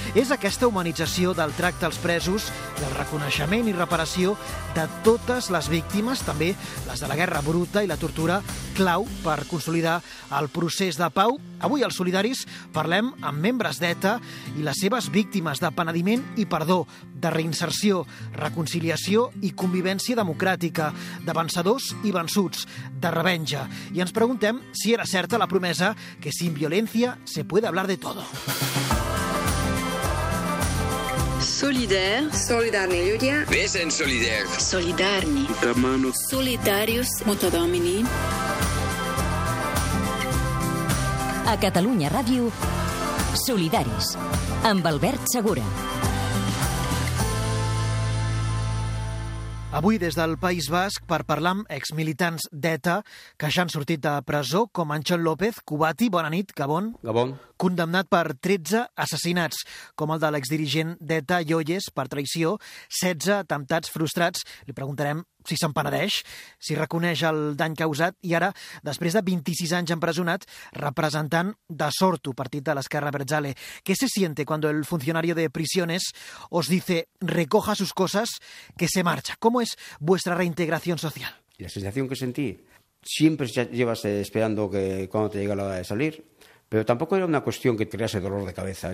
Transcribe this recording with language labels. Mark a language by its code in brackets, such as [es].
[ca] És aquesta humanització del tracte als presos, del reconeixement i reparació de totes les víctimes, també les de la guerra bruta i la tortura, clau per consolidar el procés de pau. Avui als Solidaris parlem amb membres d'ETA i les seves víctimes de penediment i perdó, de reinserció, reconciliació i convivència democràtica, de vencedors i vençuts, de revenja. I ens preguntem si era certa la promesa que [es] sin violència se puede hablar de todo. Solidaires. Solidarni, Lluia. Ves en solidaires. Solidarni. Camano. Solidarius motodomini. [ca] A Catalunya Ràdio, Solidaris, amb Albert Segura. Avui des del País Basc per parlar amb exmilitants d'ETA que ja han sortit de presó, com Anxon López, Cubati, bona nit, Gabon. [eu] Gabon. [ca] Condemnat per 13 assassinats, com el de l'exdirigent d'ETA, Yoyes, per traïció, 16 atemptats frustrats. Li preguntarem si se'n penedeix, si reconeix el dany causat, i ara, després de 26 anys empresonat, representant de Sortu, partit de l'Esquerra Berzale. [es] ¿Qué se siente cuando el funcionario de prisiones os dice recoja sus cosas, que se marcha? ¿Cómo es vuestra reintegración social? La sensación que sentí, siempre llevas esperando que cuando te llegue la hora de salir, pero tampoco era una cuestión que crease dolor de cabeza.